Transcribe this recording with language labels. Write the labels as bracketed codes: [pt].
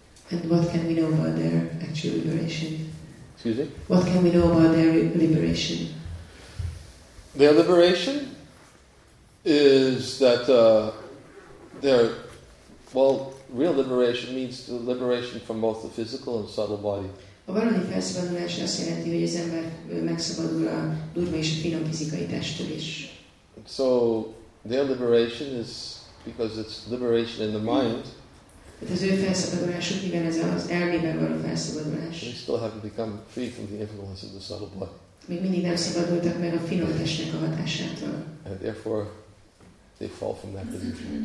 [en] And what can we know about their actual liberation? Excuse me? What can we know about their liberation? Their liberation is that they're, well, real liberation means the liberation from both the physical and subtle body. [hu] A valódi felszabadulás azt jelenti, hogy az ember megszabadul a durva és a finom fizikai testtől is. [en] So their liberation is because it's liberation in the mind. [hu] Hát az ő felszabadulásuk, mivel ez az elmében való felszabadulás. [en] They still have to become free from the influence of the subtle body. [hu] Még mindig nem szabadultak meg a finom testnek a hatásától. [en] And therefore they fall from that position.